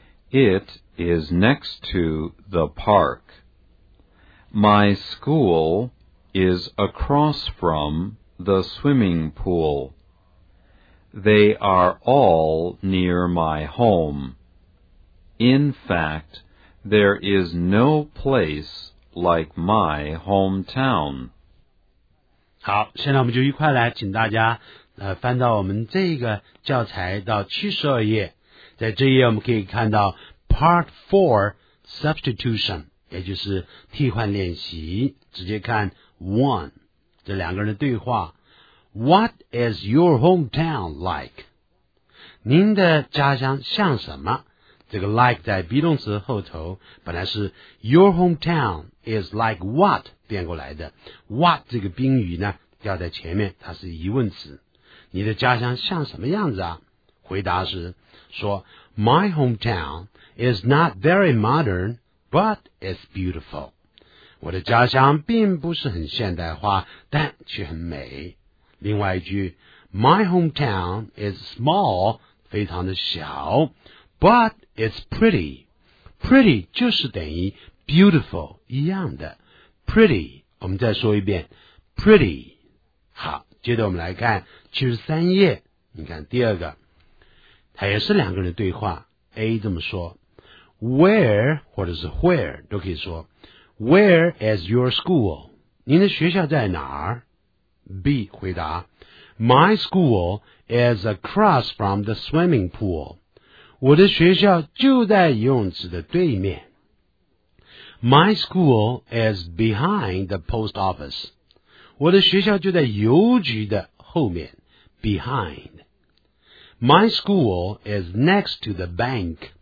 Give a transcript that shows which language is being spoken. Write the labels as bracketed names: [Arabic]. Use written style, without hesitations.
[English] It is next to the park. My school is across from the swimming pool. They are all near my home. In fact, there is no place like my hometown. [Chinese] 好，现在我们就一块来请大家翻到我们这个教材到72页。在这一页我们可以看到 Part 4 Substitution, 也就是替换练习。直接看 1, 这两个人的对话。 [English] What is your hometown like? 您的家乡像什么? [Chinese] 这个 like 在 be 动词后头，本来是 your hometown is like what 变过来的。 what 这个宾语呢，掉在前面，它是疑问词。你的家乡像什么样子啊？ [English] 回答是说 my hometown is not very modern, but it's beautiful。 [Chinese] 我的家乡并不是很现代化，但却很美。 [English] 另外一句，My hometown is small，非常的小，but it's pretty。 [Chinese] pretty 就是等于 beautiful 一样的 pretty。我们再说一遍 ，pretty。好，接着我们来看73页，你看第二个，它也是两个人对话。 A 这么说 ，Where 或者是 Where 都可以说。 [English] Where is your school? 您的学校在哪儿? B 回答 My school is across from the swimming pool. [Chinese] 我的学校就在游泳池的对面。 [English] My school is behind the post office. [Chinese] 我的学校就在邮局的后面。 [English] Behind. My school is next to the bank.